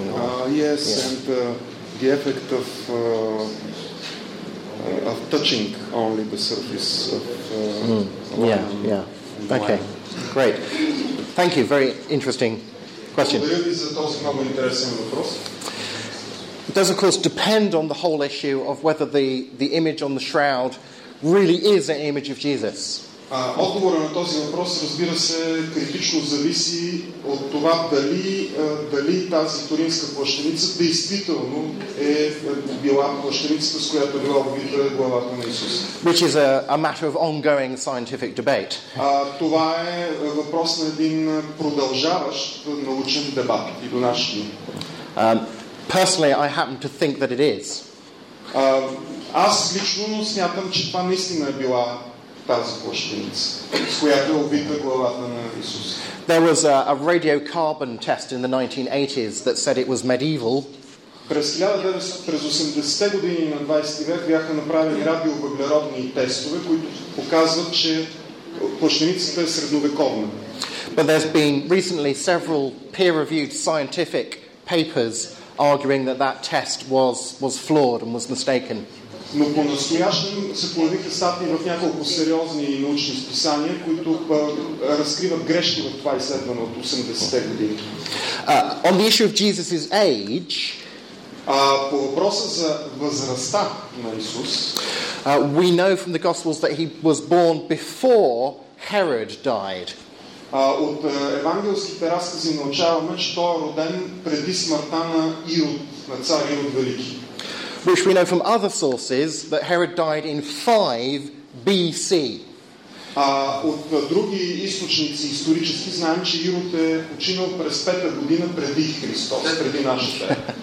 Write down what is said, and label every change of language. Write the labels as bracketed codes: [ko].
[en] and the effect of touching only the surface of okay great. Thank you. Very interesting question. It does, of course, depend on the whole issue of whether the image on the shroud really is an image of Jesus. [bg] Отговорът на този въпрос, разбира се, критично зависи от това дали тази туринска плащеница действително е била плащеницата, с която била убита главата на Исус. [en] Which is a matter of ongoing scientific debate. [bg] Това е въпрос на един продължаващ научен дебат и до наши дни. [en] Personally, I happen to think that it is. [bg] Аз лично смятам, че това наистина е била тази плащеница, с която е убита главата на Исус. [en] There was a radiocarbon test in the 1980s that said it was medieval. [bg] През 80-те години на 20-ти век бяха направени радиовъглеродни тестове, които показват, че плащеницата е средновековна. [en] But there's been recently several peer-reviewed scientific papers arguing that test was flawed and was mistaken. [bg] Но по-настоящен се появиха статии в няколко сериозни научни списания, които разкриват грешки в това изследване от 80-те години. [en] On the issue of Jesus's age, [bg] по въпроса за възрастта на Исус, [en] we know from the Gospels that he was born before Herod died. [bg] От евангелските разкази научаваме, че той е роден преди смъртта на Ирод, на цар Ирод Велики. [en] Which we know from other sources that Herod died in 5 BC. [bg] От други източници исторически знаем, че Ирод е починал през 5-та година преди Христос, преди нашата